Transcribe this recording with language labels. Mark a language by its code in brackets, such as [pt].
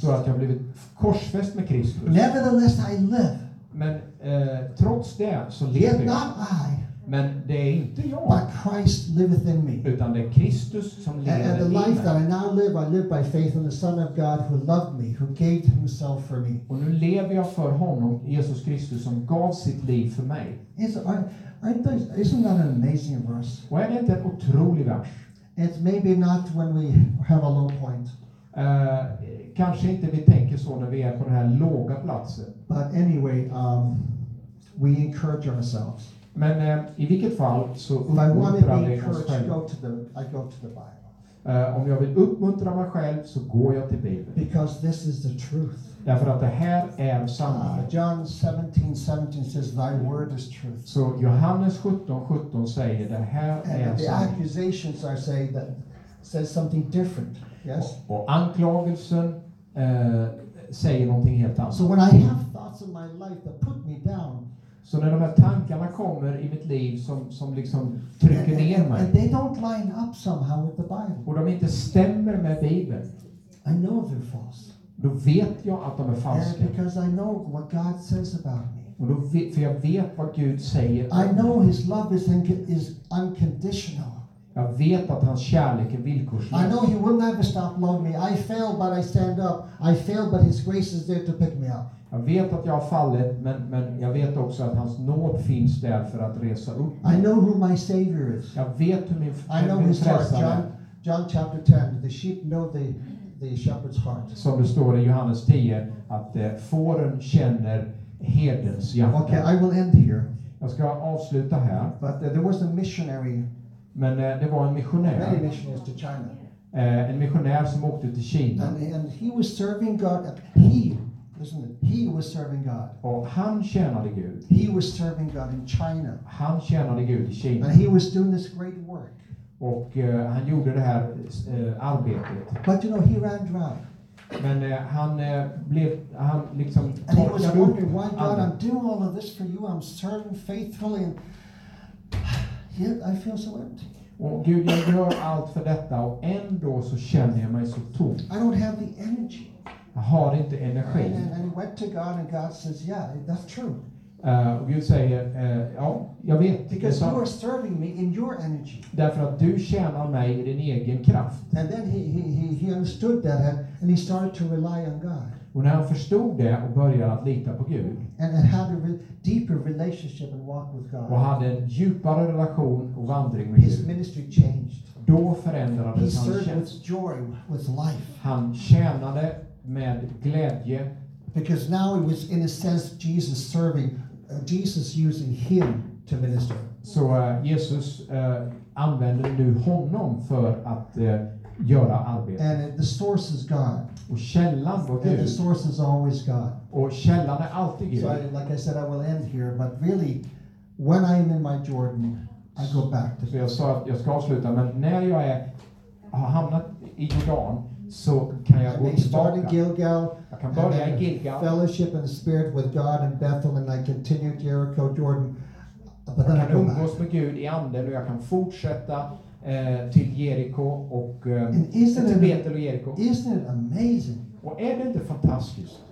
[sv] Så att jag blivit korsfäst med Kristus. [en] Nevertheless, I live. [sv] Men trots det så lever [en] not [sv] jag. Men det är inte jag. [en] But Christ liveth in me. [sv] Utan det är Kristus som lever i mig. [en] And the life that I now live, I live by faith in the Son of God who loved me, who gave himself for me. [sv] Och nu lever jag för honom, Jesus Kristus, som gav sitt liv för mig. [en] Isn't that an amazing verse? [sv] Och är det inte en otrolig vers? [en] It's maybe not when we have a low point. [sv] Kanske inte vi tänker så när vi är på den här låga platsen. [en] But anyway, we encourage ourselves. [sv] Men i vilket fall så uppmuntrar det oss själv. [en] I go to the Bible. [sv] Om jag vill uppmuntra mig själv så går jag till Bibeln. [en] Because this is the truth. [sv] Därför att det här är sanningen. [en] John 17:17 says thy word is truth. [sv] Så Johannes 17:17 säger det här [en] and [sv] är sanningen. [en] The accusations are saying that says something different. Yes. [sv] Och anklagelsen säger någonting helt annat. [en] So when I have thoughts in my life that put me down. [sv] Så när de här tankarna kommer i mitt liv som liksom trycker ner mig. [en] And they don't line up somehow with the Bible. [sv] Och de inte stämmer med Bibeln. [en] I know they're false. [sv] Då vet jag att de är falska. [en] And because I know what God says about me. [sv] Och då vet, för jag vet vad Gud säger. [en] I know his love is unconditional. [sv] Jag vet att hans kärlek är villkorslös. [en] I know he will never stop loving me. I fail but I stand up. I fail but his grace is there to pick me up. [sv] Jag vet att jag har fallit, men jag vet också att hans nåd finns där för att resa upp. [en] I know who my savior is. [sv] Jag vet hur min [en] I know his heart. John chapter 10, the sheep know the shepherd's heart. [sv] Som det står i Johannes 10 att fåren känner herdens hjärta. [en] Okay, I will end here. [sv] Jag ska avsluta här. [en] But there was a missionary. [sv] Men det var en missionär. [en] Many missionaries to China. [sv] En missionär som åkte till Kina. [en] And he was serving God at peace. He was serving God. [sv] Och han tjänade Gud. [en] He was serving God in China. [sv] Han tjänade Gud i Kina. [en] And he was doing this great work. [sv] Och han gjorde det här arbetet. [en] But you know, he ran dry. [sv] Men han liksom. [en] And he was wondering, why God, I'm doing all of this for you. I'm serving faithfully, and yet I feel so empty. [sv] Och Gud, jag gör allt för detta, och ändå så känner jag mig så tom. [en] I don't have the energy. [sv] Jag har inte energi. [en] And he went to God and God says, yeah, that's true. [sv] Och Gud säger, ja, jag vet. [en] Because you are serving me in your energy. [sv] Därför att du tjänar mig i din egen kraft. [en] And then he understood that and he started to rely on God. [sv] Och när han förstod det och började att lita på Gud. [en] And had a deeper relationship and walk with God. [sv] Och hade en djupare relation och vandring med Gud. [en] His ministry changed. [sv] Då förändrades hans tjänst. [en] He served with joy, with life. [sv] Han tjänade med glädje. [en] Because now it was in a sense Jesus serving, Jesus using him to minister. [sv] Så Jesus använder nu honom för att göra arbetet. [en] And the source is God. [sv] Och källan var Gud. [en] And the source is always God. [sv] Och källan är alltid Gud. [en] So like I said, I will end here, but really, when I am in my Jordan, I go back to. [sv] Så jag sa att jag ska avsluta, men när jag har hamnat i Jordan, så kan jag gå tillbaka. Gilgal, jag kan börja i Gilgal. [en] Fellowship in the spirit with God and Bethel and I continue to Jericho, Jordan. [sv] But jag kan umgås med Gud i anden och jag kan fortsätta till Jericho och till Bethel och Jericho. [en] Isn't it amazing? [sv] Och är det inte fantastiskt?